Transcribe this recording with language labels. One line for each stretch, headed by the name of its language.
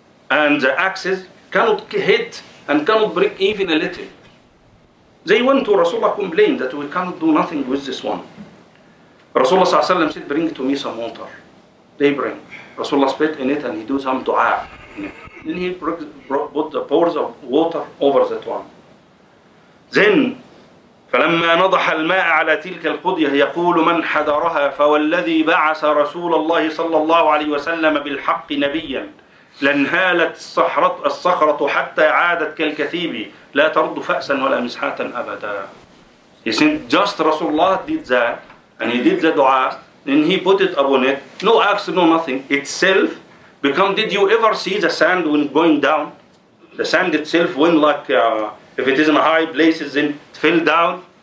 English: And the axes cannot hit and cannot break even a little. They went to Rasulullah complained that we cannot do nothing with this one. Rasulullah said, bring to me some water. They bring. Rasulullah spit in it and he do some dua. Then he put the pours of water over that one. Then,
Arabic: فلما نضح الماء على تلك القضية يقول من حذرها فوالذي بعث رسول الله صلى الله عليه وسلم بالحق نبيا لنهالت الصخرة حتى عادت كالكثيب لا ترد فأسا ولا مسحة أبدا.
English: He said, just Rasulullah did that, and he did the dua, then he put it upon it. No axe, no nothing. Itself. Become, did you ever see the sand when going down? The sand itself went like, if it is in high places, then it fell down.